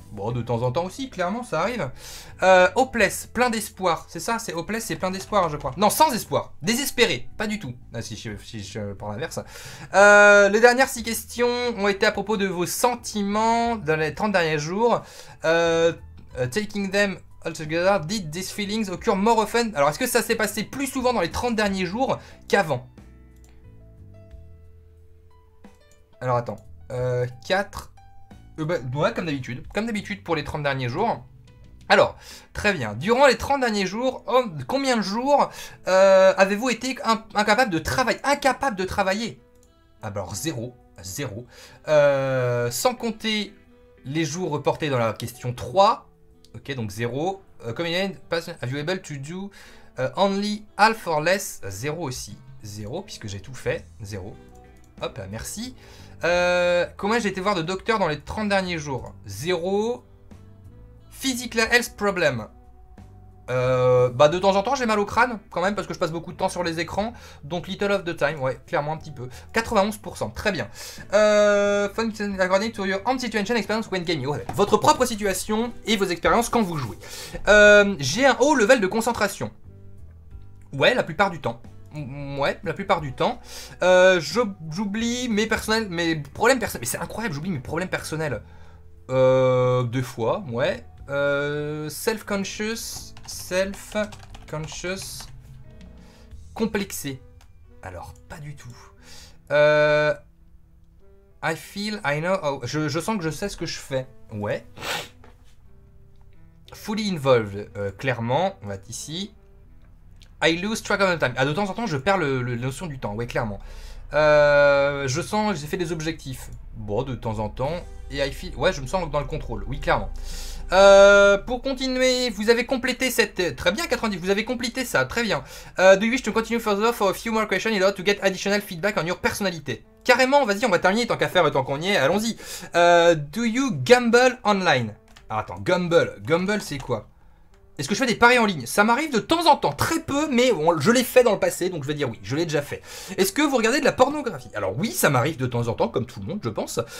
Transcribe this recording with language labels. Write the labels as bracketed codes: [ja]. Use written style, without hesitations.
[fr] Bon, de temps en temps aussi, clairement, ça arrive. [en] Hopeless, [fr] plein d'espoir. C'est ça, c'est [en] hopeless, [fr] c'est plein d'espoir, je crois. Non, sans espoir. Désespéré, pas du tout. Ah, si je prends l'inverse. Les dernières 6 questions ont été à propos de vos sentiments dans les 30 derniers jours. [en] Taking them all together, did these feelings occur more often? [fr] Alors, est-ce que ça s'est passé plus souvent dans les 30 derniers jours qu'avant? Alors, attends. 4... ouais, comme d'habitude. Comme d'habitude pour les 30 derniers jours. Alors, très bien. Durant les 30 derniers jours, combien de jours avez-vous été incapable de travailler? Incapable de travailler? Alors, zéro. Zéro. Sans compter les jours reportés dans la question 3. Ok, donc zéro. Comme il y a une passion, [en] are you able to do only half or less? [fr] Zéro aussi. Zéro, puisque j'ai tout fait. Zéro. Hop, merci. Comment j'ai été voir de docteur dans les 30 derniers jours? Zéro. [en] Physical health problem. [fr] De temps en temps, j'ai mal au crâne, quand même, parce que je passe beaucoup de temps sur les écrans. Donc, [en] little of the time, [fr] ouais, clairement, un petit peu. 91%, très bien. [en] Function according to your own situation experience when gaming. [fr] Ouais, votre propre situation et vos expériences quand vous jouez. J'ai un haut level de concentration. Ouais, la plupart du temps. Ouais, la plupart du temps. J'oublie mes problèmes personnels. Mais c'est incroyable, j'oublie mes problèmes personnels. Deux fois, ouais. [en] Self-conscious, [fr] complexé. Alors, pas du tout. [en] I feel, I know, oh, [fr] je sens que je sais ce que je fais. Ouais. [en] Fully involved, [fr] clairement, on va être ici. [en] I lose track of the time. [fr] Ah, de temps en temps, je perds la notion du temps, ouais, clairement. Je sens que j'ai fait des objectifs. Bon, de temps en temps. Et [en] I feel, [fr] ouais, je me sens dans le contrôle, oui, clairement. Pour continuer, vous avez complété cette... Très bien, 90, vous avez complété ça, très bien. [en] Do you wish to continue further for a few more questions in order to get additional feedback on your personality? [fr] Carrément, vas-y, on va terminer, tant qu'à faire, tant qu'on y est, allons-y. [en] Do you gamble online? [fr] Ah, attends, gamble, c'est quoi? Est-ce que je fais des paris en ligne? Ça m'arrive de temps en temps, très peu, mais bon, je l'ai fait dans le passé, donc je vais dire oui, je l'ai déjà fait. Est-ce que vous regardez de la pornographie? Alors oui, ça m'arrive de temps en temps, comme tout le monde, je pense.